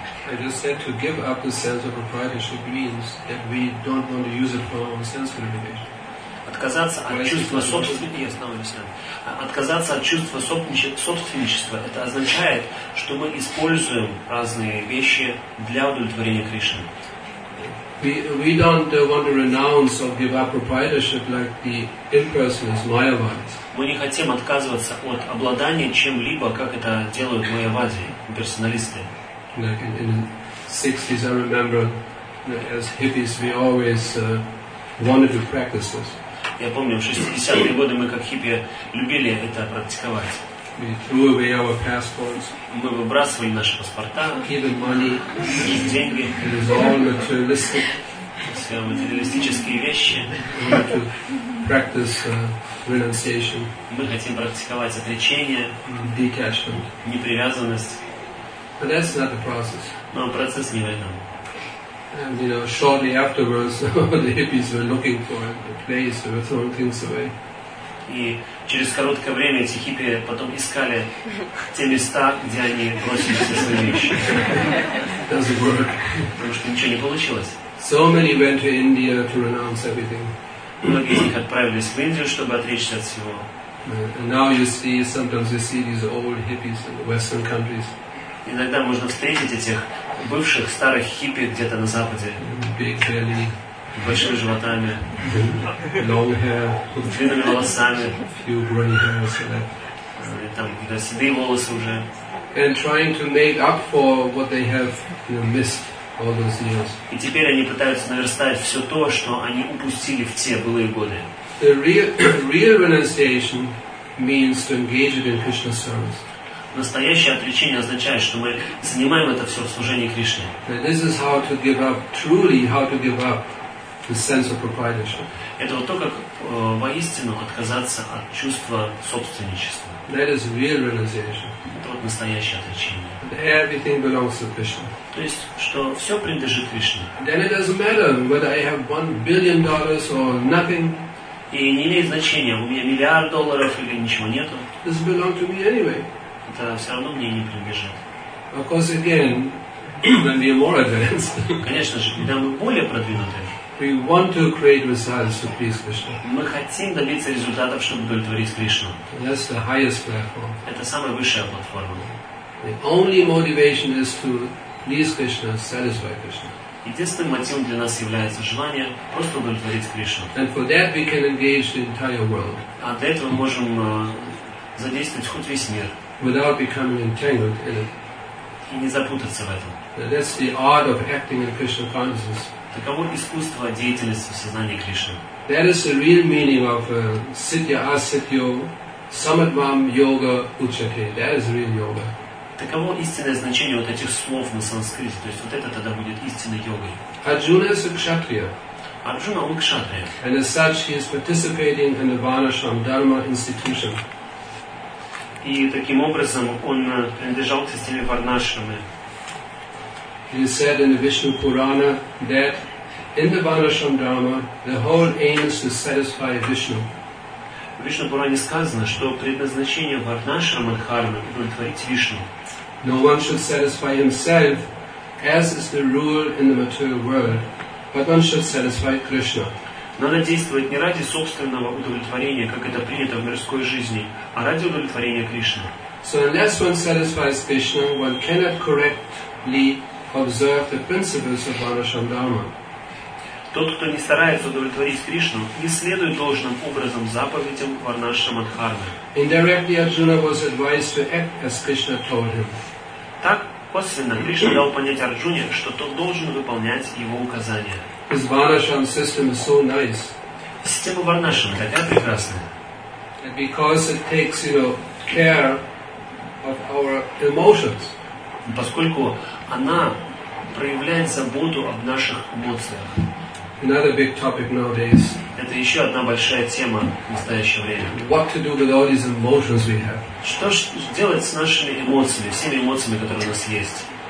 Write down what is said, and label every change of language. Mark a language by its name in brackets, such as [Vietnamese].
[English] I just said to give up the sense of proprietorship means that we don't want to use it for our own sense gratification. [Russian] Отказаться от чувства собственничества. Отказаться от чувства собственничества. Это означает, что мы используем разные вещи для удовлетворения Кришны. [English] We don't want to renounce or give up proprietorship like the impersonalist Mayavadis. [Russian] Мы не хотим отказываться от обладания чем-либо, как это делают майявади, имперсоналисты. [English] Like in the 60s, I remember, as hippies, we always wanted to practice this. [Russian] Я помню, в 60-е годы мы как хиппи любили это практиковать. [English] We threw away our passports. [Russian] Мы выбрасывали наши паспорта. [English] Even money. [Russian] И деньги. [English] It is all materialistic. [Russian] Все материалистические вещи. [English] We want to practice renunciation. [Russian] Мы хотим практиковать отречение. [English] Detachment. [Russian] Непривязанность. [English] But that's not the process. [Russian] Но процесс не в этом. [English] And you know, shortly afterwards, the hippies were looking for a place. They were throwing things away. [Russian] И через короткое время эти хиппи потом искали те места, где они бросили все свои вещи. Потому что ничего не получилось. [English] So many went to India to renounce everything. [Russian] Многие из них отправились в Индию, чтобы отречься от всего. [English] And now you see, sometimes you see these old hippies in the Western countries. [Russian] Иногда можно встретить этих бывших старых хиппи где-то на Западе. [English] Big belly. [Russian] Большими животами, [English] long hair, [Russian] длинными волосами, [English] few grey hairs, [Russian] там да, седые волосы уже, [English] and trying to make up for what they have, you know, missed all those years. [Russian] И теперь они пытаются наверстать все то, что они упустили в те былые годы. [English] The real renunciation means to engage it in Krishna service. [Russian] Настоящее отречение означает, что мы занимаем это все в служении Кришне. [English] This is how to give up, truly how to give up. The sense of proprietorship. [Russian] Это вот то, как воистину отказаться от чувства собственничества. [English] That is real renunciation. [Russian] Это вот настоящее отречение. [English] Everything belongs to Krishna. [Russian] То есть, что все принадлежит Кришне. [English] Then it doesn't matter whether I have $1 billion or nothing. [Russian] И не имеет значения, у меня миллиард долларов или ничего нету. [English] This belongs to me anyway. [Russian] Это все равно мне не принадлежит. [English] Of course, again, when we are more advanced. [Russian] Конечно же, когда мы более продвинутые. [English] We want to create results to please Krishna. [Russian] Мы хотим добиться результатов, чтобы удовлетворить Кришну. [English] That's the highest platform. [Russian] Это самая высшая платформа. [English] The only motivation is to please Krishna, satisfy Krishna. [Russian] Единственным мотивом для нас является желание просто удовлетворить Кришну. [English] And for that we can engage the entire world. [Russian] А для этого мы можем задействовать хоть весь мир. [English] Without becoming entangled in it. [Russian] И не запутаться в этом. [English] That's the art of acting in Krishna consciousness. [Russian] Таково искусство деятельности в сознании Кришны. [English] That is the real meaning of [Sanskrit] Sitya Asitya Samadvam Yoga Uchate. [English] That is real yoga. [Russian] Таково истинное значение вот этих слов на санскрите. То есть вот это тогда будет истинной йогой. [English] Arjuna is a kshatriya. [Russian] Arjuna, он кшатрия. [English] And as such, he is participating in the Varnashram Dharma institution. [Russian] И таким образом он принадлежал к системе Варнашрамы. [English] He said in the Vishnu Purana that in the Varnashram Dharma the whole aim is to satisfy Vishnu. [Russian] В Вишну Пуране сказано, что предназначение Варнашрама Дхармы удовлетворить Вишну. [English] No one should satisfy himself, as is the rule in the material world, but one should satisfy Krishna. [Russian] Надо действовать не ради собственного удовлетворения, как это принято в мирской жизни, а ради удовлетворения Кришны. [English] So unless one satisfies Krishna, one cannot correctly observe the principles of Varnashram Dharma. [Russian] Тот, кто не старается удовлетворить Кришну, не следует должным образом заповедям Варнашрама Дхармы. [English] Indirectly, Arjuna was advised to act as Krishna told him. [Russian] Так косвенно Кришна дал понять Арджуне, что тот должен выполнять его указания. [English] His Varnashram system is so nice. [Russian] Система Варнашрама такая прекрасная. [English] And because it takes, you know, care of our emotions. [Russian] Поскольку она проявляет заботу об наших эмоциях. [English] Another big topic nowadays. [Russian] Это еще одна большая тема в настоящее время. [English] What to do with all these emotions we have? [Russian] Что делать с нашими эмоциями, всеми эмоциями, которые у нас есть?